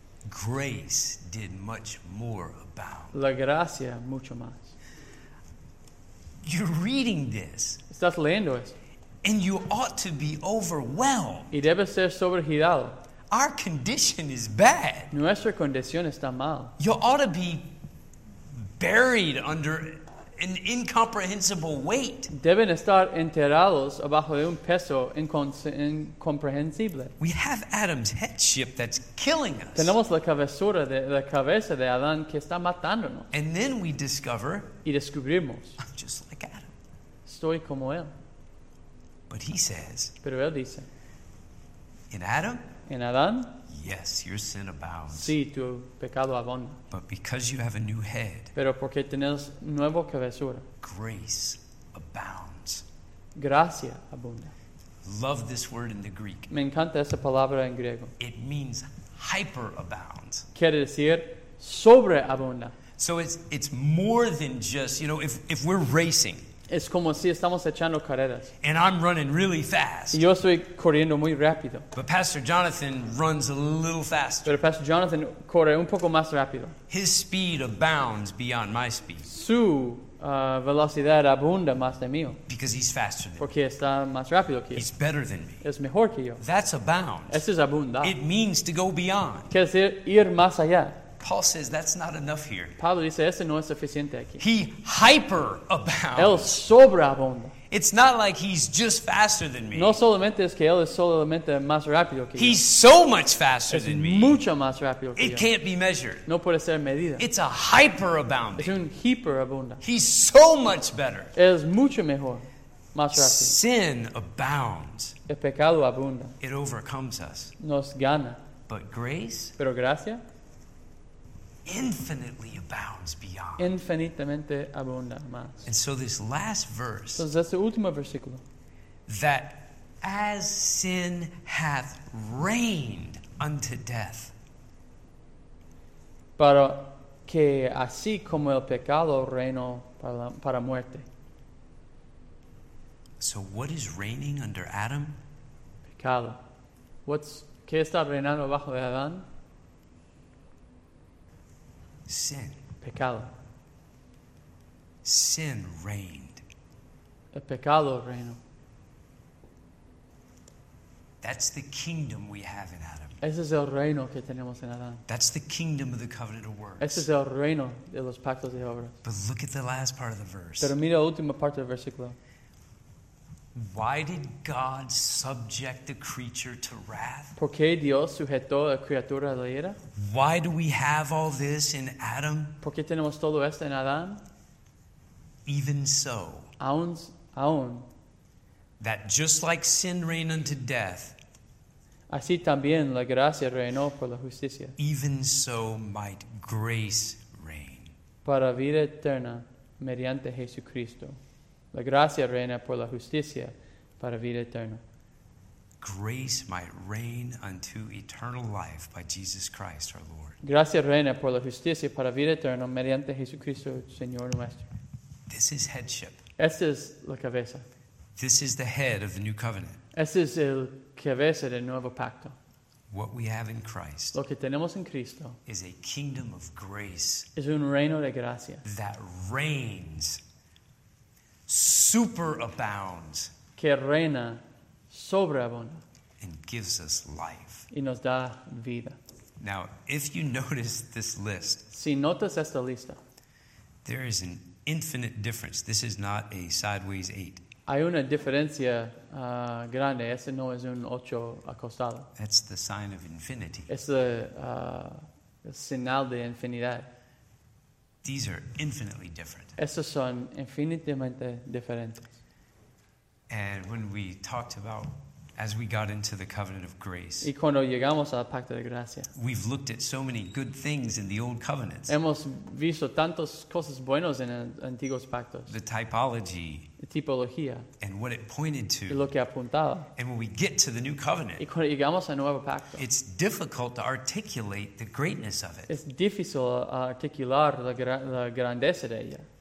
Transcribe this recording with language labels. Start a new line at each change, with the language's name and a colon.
English: grace did much more abound.
Spanish: La gracia mucho más.
English: You're reading this.
Spanish: Estás leyendo esto.
English: And you ought to be overwhelmed.
Spanish: Y debes ser sobregirado.
English: Our condition is bad.
Spanish: Nuestra condición está mal.
English: You ought to be buried under an incomprehensible weight.
Spanish: Deben estar enterrados abajo de un peso incomprehensible.
English: We have Adam's headship that's killing us.
Spanish: Tenemos la cabezura de la cabeza de Adán que está matándonos.
English: And then we discover.
Spanish: Y descubrimos.
English: I'm just like Adam.
Spanish: Estoy como él.
English: But he says.
Spanish: Pero él dice.
English: In Adam.
Spanish: En Adán.
English: Yes, your sin abounds.
Spanish: Sí, tu pecado abunda.
English: But because you have a new head,
Spanish: pero porque tienes nueva cabezura,
English: grace abounds.
Spanish: Gracia abunda.
English: Love this word in the Greek.
Spanish: Me encanta esa palabra en griego.
English: It means hyperabound.
Spanish: Quiere decir sobreabunda.
English: So it's more than just, you know, if we're racing.
Spanish: Es como si estamos echando carreras.
English: And I'm running really fast.
Spanish: Y yo estoy corriendo muy rápido.
English: But Pastor Jonathan runs a little faster.
Spanish: Pero Pastor Jonathan corre un poco más rápido.
English: His speed abounds beyond my speed.
Spanish: Su velocidad abunda más de mío.
English: Because he's faster than
Spanish: porque
English: me.
Spanish: Está más rápido que
English: he's
Spanish: yo.
English: Better than me.
Spanish: Es mejor que yo.
English: That's abound.
Spanish: Eso es abundar.
English: It means to go beyond.
Spanish: Quiere decir ir más allá.
English: Paul says that's not enough here.
Spanish: Pablo dice, ese no es suficiente aquí.
English: He hyper abounds.
Spanish: Él sobreabunda.
English: It's not like he's just faster than me.
Spanish: No solamente es que él es solamente más rápido que
English: he's
Spanish: yo.
English: So much faster
Spanish: es
English: than me.
Spanish: Mucho más rápido que
English: it
Spanish: yo.
English: Can't be measured.
Spanish: No puede ser medida.
English: It's a hyper abounding.
Spanish: Es un hiperabunda.
English: He's so much better.
Spanish: Es mucho mejor. Más rápido.
English: Sin abounds.
Spanish: El pecado abunda.
English: It overcomes us.
Spanish: Nos gana.
English: But grace.
Spanish: Pero gracia.
English: Infinitely abounds beyond.
Spanish: Infinitamente abunda más.
English: And so this last verse.
Spanish: Entonces este último versículo.
English: That as sin hath reigned unto death.
Spanish: Para que así como el pecado reinó para muerte.
English: So what is reigning under Adam?
Spanish: Pecado. ¿Qué está reinando bajo de Adán?
English: Sin.
Spanish: Pecado.
English: Sin reigned.
Spanish: El pecado reino.
English: That's the kingdom we have in Adam.
Spanish: Ese es el reino que tenemos en Adán.
English: That's the kingdom of the covenant of works.
Spanish: Ese es el reino de los pactos de obras.
English: But look at the last part of the verse.
Spanish: Pero mira la última parte del versículo.
English: Why did God subject the creature to wrath?
Spanish: ¿Por qué Dios sujetó a la criatura a la ira?
English: Why do we have all this in Adam?
Spanish: ¿Por qué tenemos todo esto en Adán?
English: Even so.
Spanish: Aún.
English: That just like sin reigned unto death.
Spanish: Así también la gracia reinó por la justicia.
English: Even so might grace reign.
Spanish: Para vida eterna mediante Jesucristo. La gracia reina por la justicia para vida eterna.
English: grace might reign unto eternal life by Jesus Christ our Lord.
Spanish: Gracias reina por la justicia para vida eterna mediante Jesucristo Señor nuestro.
English: This is headship.
Spanish: Esta es la cabeza.
English: This is the head of the new covenant.
Spanish: Esta es el cabeza del nuevo pacto.
English: What we have in Christ,
Spanish: lo que tenemos en Cristo,
English: is a kingdom of grace.
Spanish: Es un reino de gracia
English: that reigns, superabounds,
Spanish: que reina, sobreabunda,
English: and gives us life.
Spanish: Y nos da vida.
English: Now, if you notice this list,
Spanish: si notas esta lista,
English: there is an infinite difference. This is not a sideways eight.
Spanish: Hay una diferencia grande. Ese no es un ocho acostado.
English: That's the sign of infinity.
Spanish: Es el señal de infinidad.
English: These are infinitely different.
Spanish: Esos son infinitamente diferentes.
English: And when we talked about, as we got into the covenant of grace,
Spanish: y cuando llegamos al pacto de gracia,
English: we've looked at so many good things in the old covenants.
Spanish: Hemos visto tantas cosas buenas en antiguos pactos.
English: The typology.
Spanish: La tipología.
English: And what it pointed to.
Spanish: Y lo que apuntaba.
English: And when we get to the new covenant,
Spanish: y cuando llegamos al nuevo pacto,
English: it's difficult to articulate the greatness of it.
Spanish: Es difícil articular la grandeza de ella.